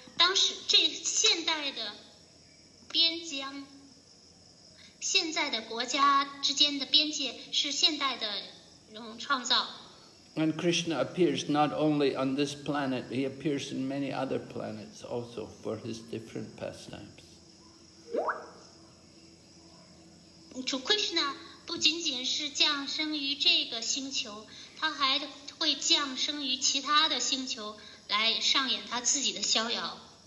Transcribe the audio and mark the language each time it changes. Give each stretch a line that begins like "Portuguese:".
Chinese: 当时这现代的边疆，现在的国家之间的边界是现代的创造。
English: And Krishna appears not only on this planet, he appears in many other planets also for his different pastimes.
Chinese: Krishna 不仅仅是降生于这个星球，他还会降生于其他的星球来上演他自己的逍遥。